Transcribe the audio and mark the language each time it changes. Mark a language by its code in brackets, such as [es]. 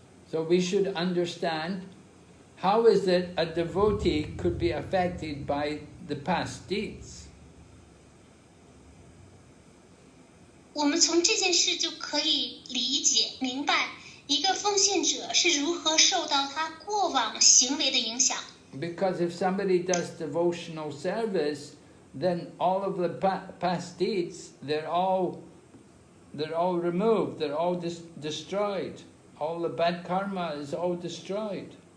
[en] So we should understand how is it a devotee could be affected by the past deeds. [zh] 我们从这件事就可以理解明白一个奉献者是如何受到他过往行为的影响。 [en] Because if somebody does devotional service, then all of the past deeds, they're all removed, they're all destroyed. All the bad karma is all destroyed.